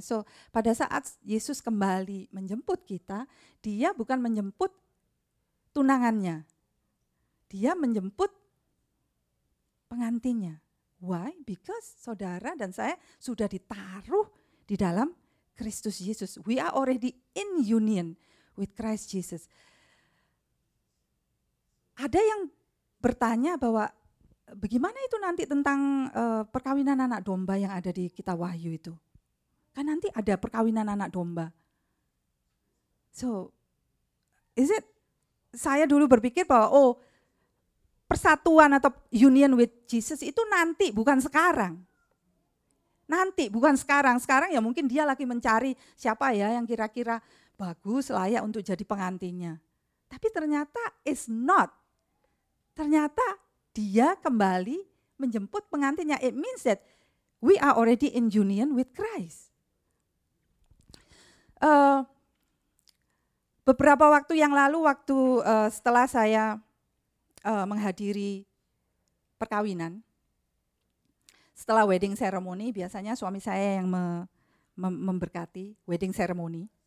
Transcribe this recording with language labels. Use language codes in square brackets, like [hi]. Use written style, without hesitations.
[id] So, pada saat Yesus kembali menjemput kita, dia bukan menjemput tunangannya. Dia menjemput pengantinnya. [en] Why? Because [id] saudara dan saya sudah ditaruh di dalam Kristus Yesus. [en] We are already in union with Christ Jesus. [id] Ada yang bertanya bahwa bagaimana itu nanti tentang perkawinan anak domba yang ada di kitab Wahyu itu? Kan nanti ada perkawinan anak domba. [en] So, is it? [id] Saya dulu berpikir bahwa persatuan atau [en] union with Jesus [id] itu nanti, bukan sekarang. Nanti, bukan sekarang. Sekarang ya mungkin dia lagi mencari siapa ya yang kira-kira bagus, layak untuk jadi pengantinnya. Tapi ternyata [en] it's not. [id] Ternyata dia kembali menjemput pengantinnya. [en] It means that we are already in union with Christ. [id] Beberapa waktu yang lalu, waktu setelah saya menghadiri perkawinan, setelah wedding ceremony, biasanya suami saya yang memberkati wedding ceremony.